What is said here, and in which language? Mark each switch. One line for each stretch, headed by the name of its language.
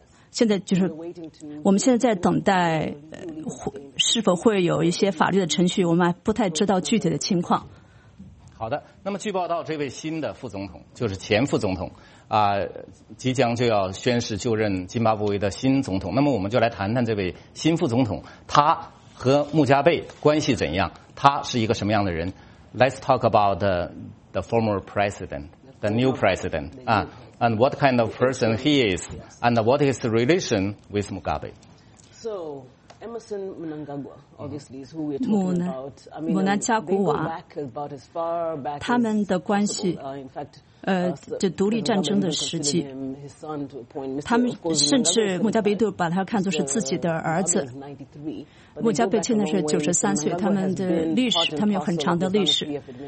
Chinese: 现在就是我们现在在等待，是否会有一些法律的程序，我们还不太知道具体的情况。好的，那么据报道，这位新的副总统就是前副总统即将就要宣誓就任津巴布韦的新总统。那么我们就来谈谈这位新副总统，他和穆加贝关系怎样，他是一个什么样的人。
English: Let's talk about the former president, the new president, and what kind of person he is, and what is the relation with Mugabe. So,Emmerson Mnangagwa, obviously, is who we're talking about. I mean,
Chinese: 穆南加古瓦，他们的关系，这独立战争的时期，他们甚至穆加贝都把他看作是自己的儿子。穆加贝现在是93岁，他们的历史，他们有很长的历史。